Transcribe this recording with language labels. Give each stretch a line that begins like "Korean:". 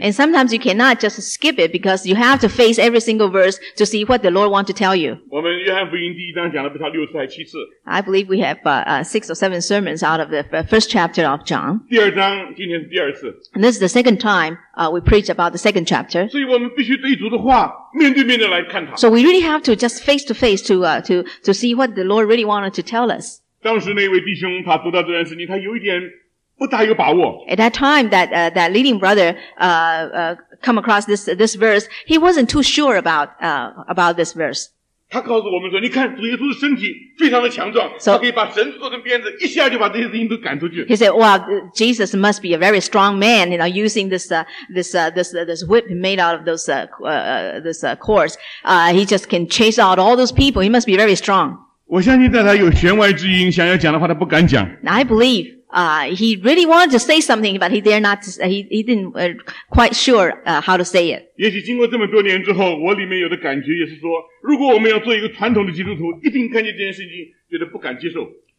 English: And sometimes you cannot just skip it because you have to face every single verse to see what the Lord wants to tell you.
Chinese: 我们约翰福音第一章讲了不下六次还七次。
English: I believe we have six or seven sermons out of the first chapter of John.
Chinese: 第二章今天是第二次。
English: And this is the second time we preach about the second chapter.
Chinese: 所以我们必须对主的话面对面的来看它。
English: So we really have to just face to face to see what the Lord really wanted to tell us.
Chinese: 当时那位弟兄, 他读到这段事情, 他有一点不大有把握。
English: At that time, that leading brother come across this verse, he wasn't too sure about this verse.
Chinese: 他告诉我们说, 你看, 主耶稣的身体, 非常的强壮, so, 他可以把绳子做成鞭子, 一下就把这些事情都赶出去。
English: He said, well, Jesus must be a very strong man, you know, using this whip made out of those cords. He just can chase out all those people. He must be very strong.
Chinese: 我相信在他有弦外之音想要讲的话他不敢讲。
English: I believe he really wanted to say something but he dare not to, he didn't quite sure how to say it.
Chinese: 也许经过这么多年之后我里面有的感觉也是说如果我们要做一个传统的基督徒一定看见这件事情觉得不敢接受。